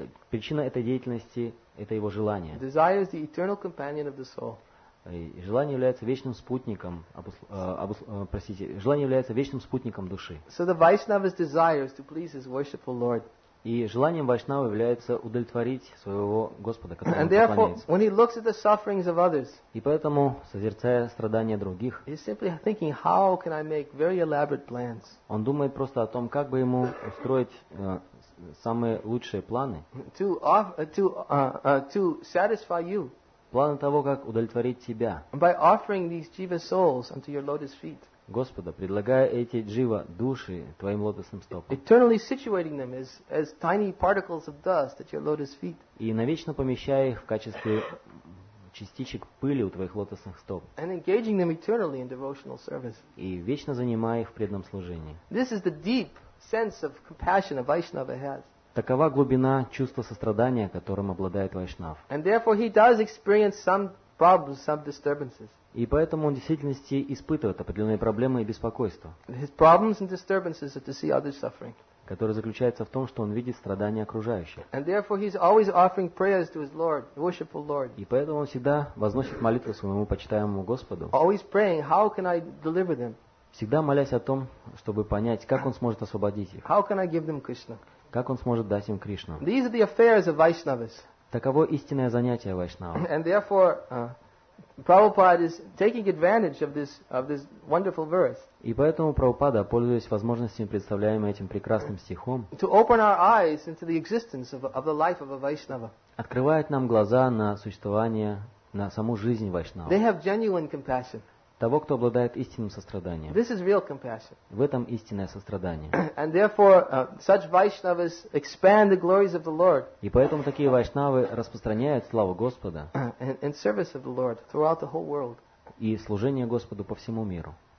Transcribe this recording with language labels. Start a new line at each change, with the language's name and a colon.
Russian: Причина этой деятельности – это его желание.
English: Desire is the eternal companion of the soul.
Russian: Желание является вечным спутником души.
English: So the Vaishnava's desire is to please his worshipful Lord.
Russian: И желанием Вайшнавы является удовлетворить своего Господа, которому он поклоняется.
English: And therefore, when he looks at the sufferings of others,
Russian: и поэтому, созерцая страдания других,
English: he's simply thinking, how can I make very elaborate plans?
Russian: Он думает просто о том, как бы ему устроить самые лучшие планы.
English: To satisfy you.
Russian: Планы того, как удовлетворить тебя.
English: By offering these jiva souls unto your lotus feet.
Russian: Господа, предлагая эти джива души твоим лотосным стопам.
English: Eternally situating them as tiny particles of dust at your lotus feet.
Russian: И навечно помещая их в качестве частичек пыли у твоих лотосных стоп.
English: And engaging them eternally in devotional service.
Russian: И вечно занимая их в преданном служении.
English: This is the deep sense of compassion a Vaishnava has.
Russian: Такова глубина чувства сострадания, которым обладает Вайшнав.
English: And therefore he does experience some problems, some disturbances.
Russian: И поэтому он в действительности испытывает определенные проблемы и беспокойства.
English: His problems and disturbances are to see others suffering.
Russian: Которые заключаются в том, что он видит страдания окружающих.
English: And therefore he's always offering prayers to his Lord, worshipful Lord.
Russian: И поэтому он всегда возносит молитву своему почитаемому Господу.
English: Always praying, how can I deliver them?
Russian: Всегда молясь о том, чтобы понять, как он сможет освободить их.
English: How can I give them Krishna?
Russian: Как он сможет дать им Кришну?
English: These are the affairs of Vaishnavas.
Russian: Таково истинное занятие вайшнава.
English: And therefore, Prabhupada is taking advantage of this wonderful verse.
Russian: И поэтому Прабхупада, пользуясь возможностями, представляемыми этим прекрасным стихом,
English: to open our eyes into the existence of the life of a Vaishnava.
Russian: Открывает нам глаза на существование, на саму жизнь вайшнава.
English: They have genuine compassion.
Russian: Того, кто обладает истинным состраданием.
English: This is real compassion.
Russian: В этом истинное сострадание.
English: And therefore, such Vaishnavas expand the glories of the Lord.
Russian: И поэтому такие вайшнавы распространяют славу Господа.
English: In service of the Lord throughout the whole world.
Russian: И служение Господу по всему миру.